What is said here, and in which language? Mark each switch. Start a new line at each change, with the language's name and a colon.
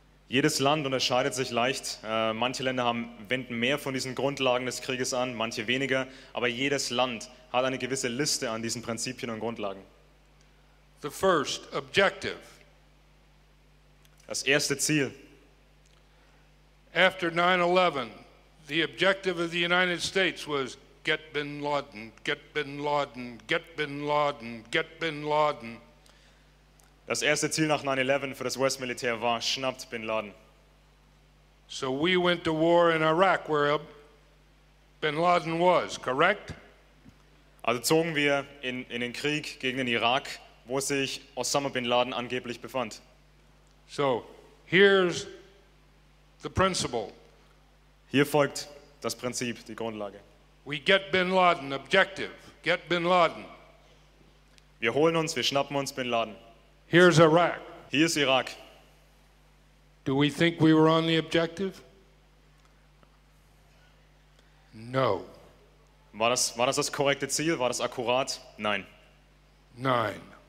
German: Jedes Land unterscheidet sich leicht. Manche Länder wenden mehr von diesen Grundlagen des Krieges an, manche weniger. Aber jedes Land hat eine gewisse Liste an diesen Prinzipien und Grundlagen.
English: The first objective.
German: Das erste Ziel.
English: After 9/11, the objective of the United States was get Bin Laden, get Bin Laden, get Bin Laden, get Bin Laden.
German: Das erste Ziel nach 9/11 für das US-Militär war, schnappt Bin Laden.
English: So we went to war in Iraq, where Bin Laden was, correct?
German: Also zogen wir in den Krieg gegen den Irak, wo sich Osama Bin Laden angeblich befand.
English: So, here's the principle.
German: Hier folgt das Prinzip, die Grundlage.
English: We get Bin Laden, objective, get Bin Laden.
German: Wir holen uns, wir schnappen uns Bin Laden.
English: Here's Iraq.
German: Hier ist Irak.
English: Do we think we were on the objective? No.
German: War das das korrekte Ziel? War das akkurat? Nein. Nein.